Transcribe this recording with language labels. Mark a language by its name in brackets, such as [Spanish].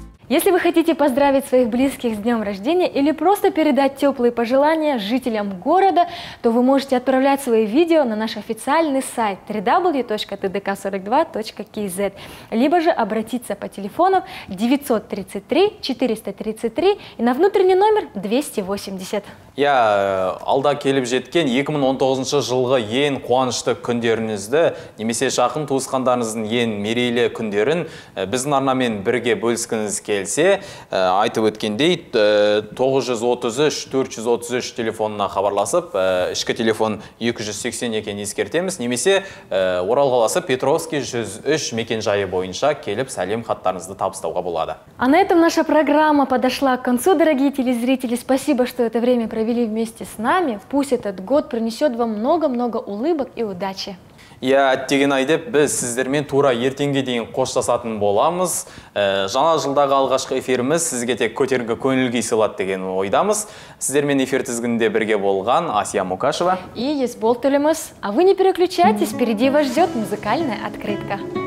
[Russian] Если вы хотите поздравить своих близких с днем рождения или просто передать теплые пожелания жителям города, то вы можете отправлять свои видео на наш официальный сайт www.tdk42.kz либо же обратиться по телефону 933-433 и на внутренний номер 280. [Kazakh] Я алда келіп жеткен 2019 жылғы ең қуанышты күндеріңізді, немесе жақын туысқандарыңыздың ең мерейлі күндерін біздің арнамен бірге бөліскіңіз келсе, айтып өткендей 933-433 телефонына хабарласып, ішкі телефон 280 екен ескертеміз, немесе Орал қаласы Петровский 103 мекен жайы бойынша келіп сәлем хаттарыңызды табыстауға болады. [Russian] А на этом наша программа подошла к концу, дорогие телезрители. Спасибо, что это время провели вместе с нами. Пусть этот год принесет вам много-много улыбок и удачи. [Kazakh] Я оттеген айдеп, біз сіздермен тура ертенге дейін қоштасатын боламыз. Жаңа жылдағы алғашқы эфиріміз сізге тек көтеріңгі көңілге сыйлады деген ойдамыз. Сіздермен эфир тізгінде бірге болған Асия Мукашева. [Russian] И Есбол Төлеміз. А вы не переключайтесь, впереди вас ждет музыкальная открытка.